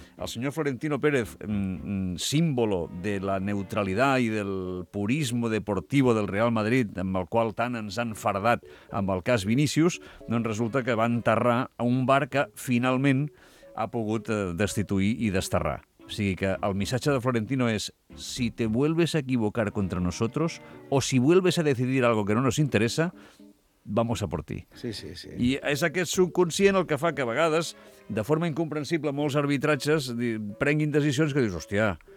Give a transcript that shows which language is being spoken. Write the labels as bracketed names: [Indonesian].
[Catalan] El senyor Florentino Pérez, símbolo de la neutralitat i del purismo deportivo del Real Madrid, amb el qual tant ens han fardat amb el cas Vinícius, doncs resulta que va enterrar a un bar que finalment ha pogut destituir i desterrar. O sigui que el missatge de Florentino és [Spanish] si te vuelves a equivocar contra nosotros o si vuelves a decidir algo que no nos interesa, vamos a por ti. [Catalan] Sí, sí, sí. I és aquest subconscient el que fa que a vegades, de forma incomprensible, molts arbitratges prenguin decisions que dius, hòstia,